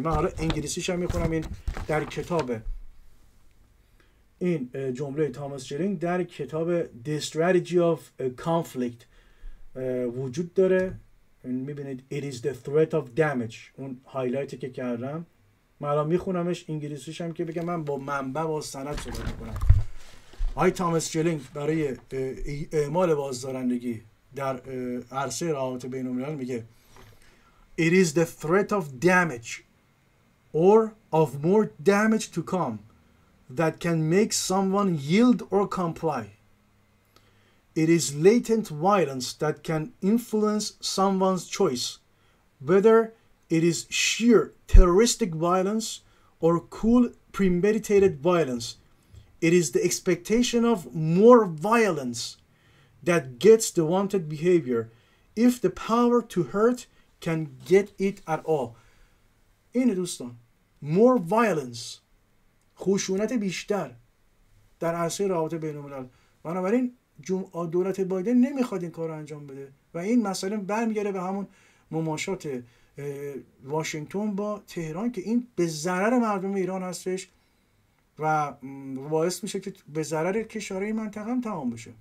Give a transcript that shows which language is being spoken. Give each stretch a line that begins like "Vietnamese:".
Persian: من حالا انگلیسیش هم میخونم، این در کتاب، این جمله تامس شیلینگ در کتاب The Strategy of Conflict وجود داره. میبینید
English: It is the threat of damage،
Persian: اون هایلایتی که کردم من الان میخونمش انگلیسیش هم که بگم من با منبع و سند صحبت میکنم. آقای تامس شیلینگ برای اعمال بازدارندگی در عرصه روابط بین الملل میگه
English: It is the threat of damage or of more damage to come that can make someone yield or comply. It is latent violence that can influence someone's choice, whether it is sheer terroristic violence or cool premeditated violence. It is the expectation of more violence that gets the wanted behavior, if the power to hurt can get it at all. In Hindustan, more violence,
Persian: خشونت بیشتر در عرصه روابط بین الملل. بنابراین دولت بایدن نمیخواد این کار رو انجام بده و این مسئله برمیگره به همون مماشات واشنگتن با تهران که این به ضرر مردم ایران هستش و باعث میشه که به ضرر کشورهای منطقه هم تمام بشه.